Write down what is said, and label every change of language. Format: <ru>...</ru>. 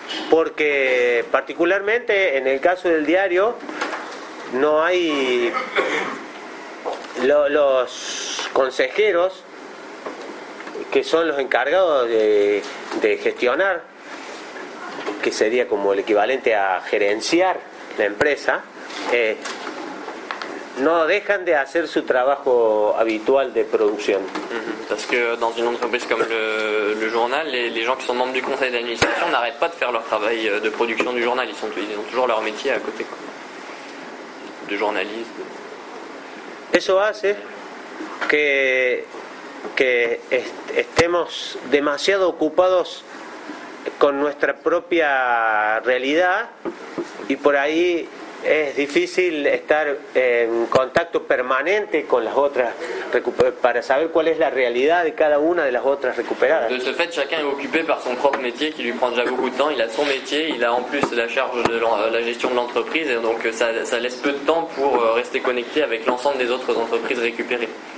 <es>Porque particularmente en el caso del diario no hay los consejeros que son los encargados de gestionar, que sería como el equivalente a gerenciar la empresa, no dejan de hacer su trabajo habitual de producción.</es> <fr>Parce que dans une entreprise comme le journal, les gens qui sont membres du conseil d'administration n'arrêtent pas de faire leur travail de production du journal, ils ont toujours leur métier à côté, quoi. De journaliste.</fr> <es>Eso hace que estemos demasiado ocupados con nuestra propia realidad y por ahí es difícil estar en contacto permanente con las otras para saber cuál es la realidad de cada una de las otras recuperadas.</es> <fr>De ce fait, chacun est occupé par son propre métier qui lui prend déjà beaucoup de temps. Il a son métier, il a en plus la charge de la gestion de l'entreprise, et donc ça laisse peu de temps pour rester connecté avec l'ensemble des autres entreprises récupérées.</fr>